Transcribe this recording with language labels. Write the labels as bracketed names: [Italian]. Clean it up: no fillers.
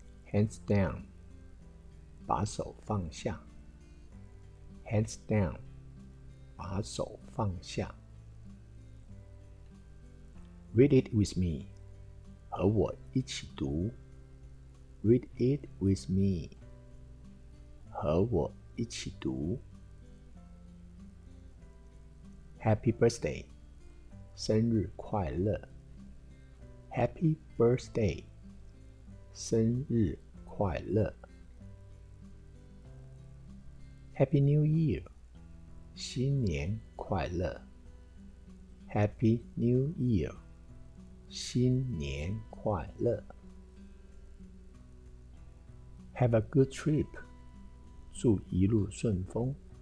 [English] Hands down， [Chinese] 把手放下。 [English] Hands down， [Chinese] 把手放下。 [English] Read it with me， [Chinese] 和我一起读。 [English] Read it with me， [Chinese] 和我一起读。 [English] Happy birthday， [Chinese] 生日快乐。 [English] Happy birthday， [Chinese] 生日快乐。 [English] Happy New Year， [Chinese] 新年快乐。 [English] Happy New Year， [Chinese] 新年快乐。 [English] Have a good trip， [Chinese] 祝一路顺风。